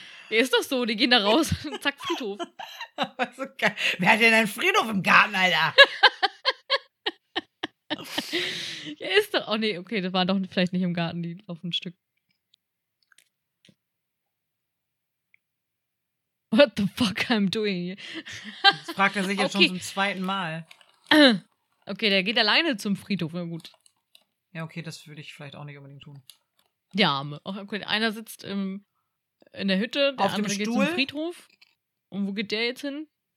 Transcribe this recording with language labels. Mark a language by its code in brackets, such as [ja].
[de] Ist doch so, die gehen da raus und zack, Friedhof. So geil. Wer hat denn einen Friedhof im Garten, Alter? Ist doch. Oh nee, okay, das war doch vielleicht nicht im Garten, die auf ein Stück. [en] What the fuck I'm doing here? [de] Das fragt er sich jetzt okay. Schon zum zweiten Mal. Okay, der geht alleine zum Friedhof, na gut. Ja, okay, das würde ich vielleicht auch nicht unbedingt tun. Ja, okay, einer sitzt in der Hütte, der auf andere geht zum Friedhof. Und wo geht der jetzt hin?